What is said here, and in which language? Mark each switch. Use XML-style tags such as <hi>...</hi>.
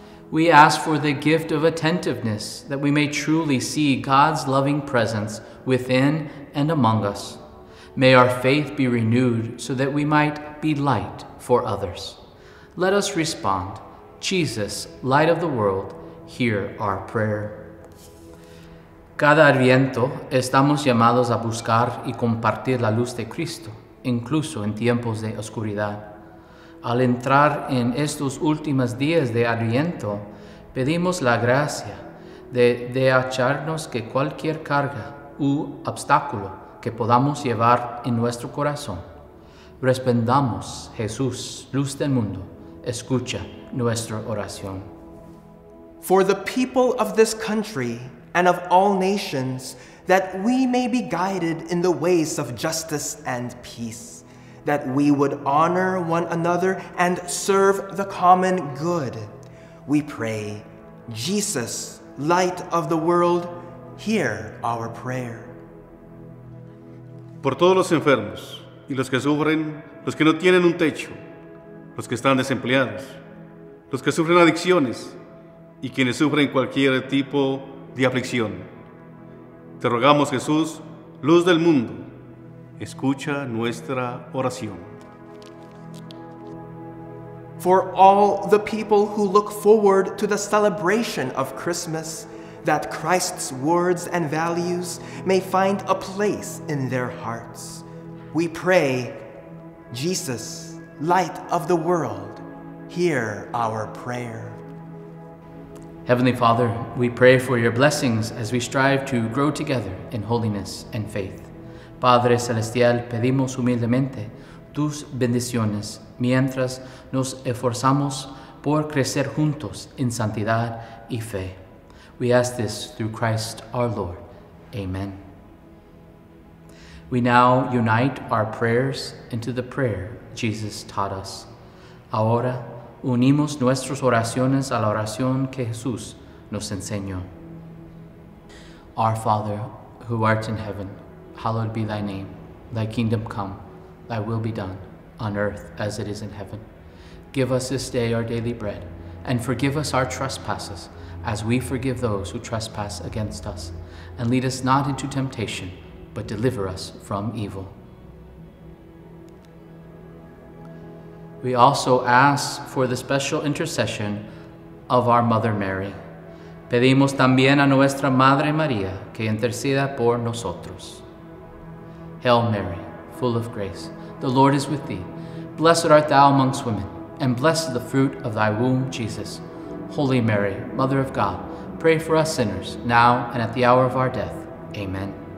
<en>We ask for the gift of attentiveness that we may truly see God's loving presence within and among us. May our faith be renewed so that we might be light for others. Let us respond, Jesus, light of the world, hear our prayer.</en> <es>Cada Adviento estamos llamados a buscar y compartir la luz de Cristo, incluso en tiempos de oscuridad. Al entrar en estos últimos días de Adviento, pedimos la gracia de dejarnos que cualquier carga u obstáculo que podamos llevar en nuestro corazón. Respondamos, Jesús, luz del mundo, escucha nuestra oración.</es> <en>For the people of this country and of all nations, that we may be guided in the ways of justice and peace, that we would honor one another and serve the common good, we pray, Jesus, light of the world, hear our prayer.</en> <es>Por todos los enfermos y los que sufren, los que no tienen un techo, los que están desempleados, los que sufren adicciones y quienes sufren cualquier tipo de aflicción. Te rogamos, Jesús, luz del mundo, escucha nuestra oración.</es> <en>For all the people who look forward to the celebration of Christmas, that Christ's words and values may find a place in their hearts. We pray, Jesus, light of the world, hear our prayer. Heavenly Father, we pray for your blessings as we strive to grow together in holiness and faith.</en> <es>Padre Celestial, pedimos humildemente tus bendiciones mientras nos esforzamos por crecer juntos en santidad y fe.</es> <en>We ask this through Christ our Lord. Amen. We now unite our prayers into the prayer Jesus taught us.</en> <es>Ahora unimos nuestras oraciones a la oración que Jesús nos enseñó.</es> <en>Our Father, who art in heaven, hallowed be thy name. Thy kingdom come, thy will be done, on earth as it is in heaven. Give us this day our daily bread, and forgive us our trespasses, as we forgive those who trespass against us. And lead us not into temptation, but deliver us from evil. We also ask for the special intercession of our Mother Mary.</en> <es>Pedimos también a nuestra Madre María que interceda por nosotros.</es> <en>Hail Mary, full of grace, the Lord is with thee. Blessed art thou amongst women, and blessed the fruit of thy womb, Jesus. Holy Mary, Mother of God, pray for us sinners, now and at the hour of our death. Amen.</en>